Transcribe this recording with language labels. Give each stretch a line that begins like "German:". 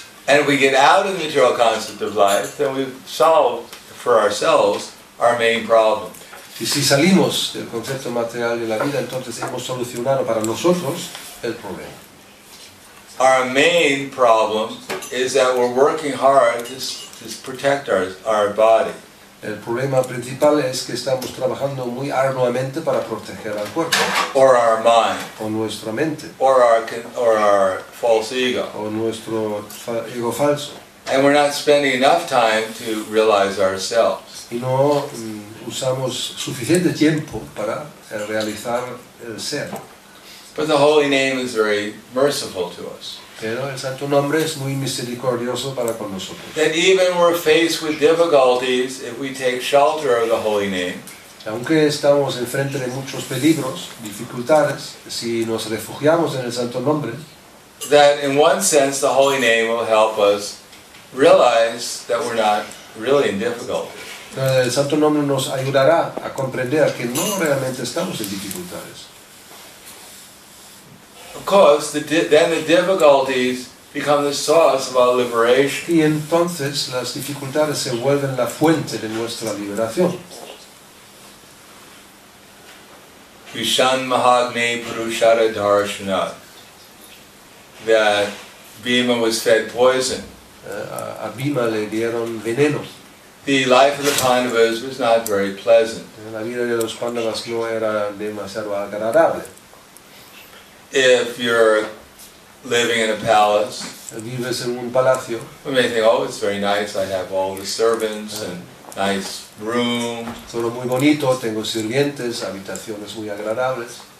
English: And if we get out of the material concept of life, then we've solved for ourselves our main problem.
Spanish: Y si salimos del concepto material de la vida, entonces hemos solucionado para nosotros el problema.
English: Our main problem is that we're working hard to protect our body.
Spanish: El problema principal es que estamos trabajando muy arduamente para proteger al cuerpo.
English: Or our mind.
Spanish: O nuestra mente.
English: Or our false ego.
Spanish: O nuestro ego falso.
English: And we're not spending enough time to realize ourselves.
Spanish: Y no usamos suficiente tiempo para realizar el ser.
English: But the holy name is very merciful to us.
Spanish: Pero el santo nombre es muy misericordioso para con nosotros.
English: That even we're faced with difficulties, if we take shelter of the holy name.
Spanish: Aunque estamos enfrente de muchos peligros, dificultades, si nos refugiamos en el santo nombre.
English: That in one sense the holy name will help us realize that we're not really in difficulty.
Spanish: El santo nombre nos ayudará a comprender que no realmente estamos en dificultades.
English: of course, then the difficulties become the source of our liberation.
Spanish: Y entonces las dificultades se vuelven la fuente de nuestra liberación.
Sanskrit: Vishan Mahagne Purushara Darshana.
English: That Bhima was fed poison.
Spanish: A Bhima le dieron veneno.
English: The life of the Pandavas was not very pleasant.
Spanish: La vida de los Pandavas no era demasiado agradable.
English: If you're living in a palace,
Spanish: vives en un palacio,
English: you may think, oh, it's very nice, I have all the servants and nice room.
Spanish: Todo muy bonito, tengo sirvientes, habitaciones muy agradables.